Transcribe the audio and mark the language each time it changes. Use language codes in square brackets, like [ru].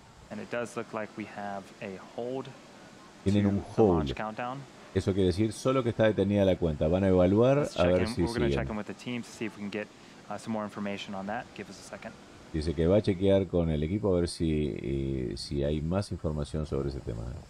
[en] And it does look like we have a hold. [es] Tienen un hold. Eso quiere decir solo que está detenida la cuenta. Van a evaluar a ver si siguen. [en] We're going to check in with the team to see if we can get some more information on that. Give us a second. [es] Dice que va a chequear con el equipo a ver si hay más información sobre ese tema.